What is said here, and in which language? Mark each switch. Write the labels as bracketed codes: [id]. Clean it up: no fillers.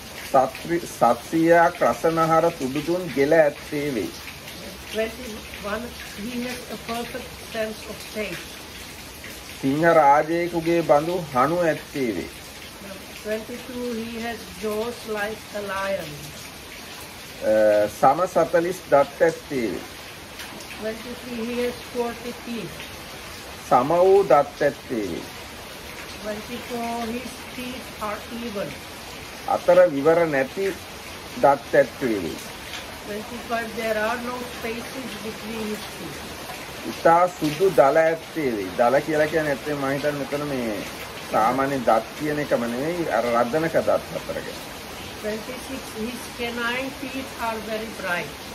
[si] සත්සියක් රසනහර සුදුතුන් ගෙල ඇත්තේ වේ. [en] 21. He has a perfect sense of taste. [si] සිංහ රාජයෙකුගේ බඳු හණු ඇත්තේ වේ. [en] 22. He has jaws like a lion. [si] සම 40 දත් ඇත්තේ වේ. [en] 23. He has 40 teeth. [si] සම වූ දත් ඇත්තේ වේ. [en] 24. His teeth are even. [si] අතර විවර නැති දත් ඇත්තේ. [en] 25. There are no spaces between his teeth. [si] ඉතා සුදු දල ඇත්තේ. දල කියලා කියන්නේ ඇත්තේ මම හිතන්නේ මෙතන මේ සාමාන්‍ය දත් කියන එකම නෙවෙයි අර රද්දනක දත් අතරගෙන. [en] 26. His canine teeth are very bright.